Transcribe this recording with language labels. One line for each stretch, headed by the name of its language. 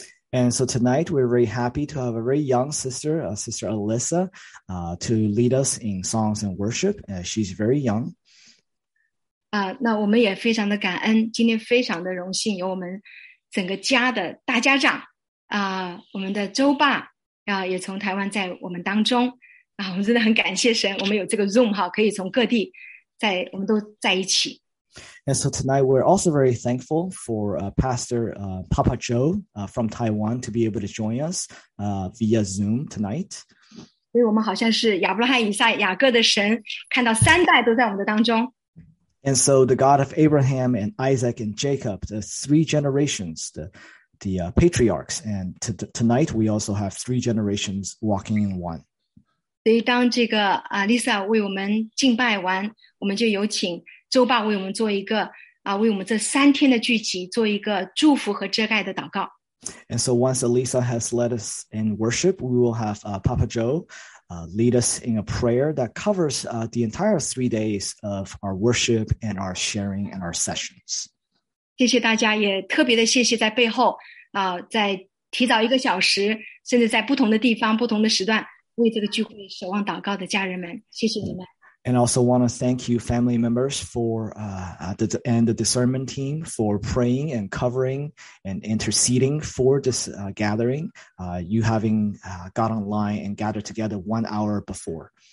English: And so tonight we're very happy to have a very young sister, Sister Alyssa, to lead us in songs and worship. She's very young.
Chinese: 那我们也非常的感恩，今天非常的荣幸有我们整个家的大家长我们的周爸也从台湾在我们当中我们真的很感谢神，我们有这个 Zoom 哈，可以从各地在我们都在一起。
English: And so tonight we're also very thankful for Pastor Papa Joe from Taiwan to be able to join us via Zoom tonight.
Chinese: 所以我们好像是亚伯拉罕、以撒、雅各的神，看到三代都在我们的当中。
English: And so the God of Abraham and Isaac and Jacob, the three generations, the patriarchs, and tonight we also have three generations walking in one.
Chinese: 所以当这个Lisa 为我们敬拜完，我们就有请周爸为我们做一个为我们这三天的聚集做一个祝福和遮盖的祷告。
English: And so once Elisa has led us in worship, we will have Papa Joe lead us in a prayer that covers the entire 3 days of our worship and our sharing and our sessions.
Chinese: 谢谢大家，也特别的谢谢在背后在提早一个小时，甚至在不同的地方、不同的时段为这个聚会守望祷告的家人们，谢谢你们。
English: And also want to thank you, family members, for and the discernment team for praying and covering and interceding for this gathering. You having got online and gathered together 1 hour before.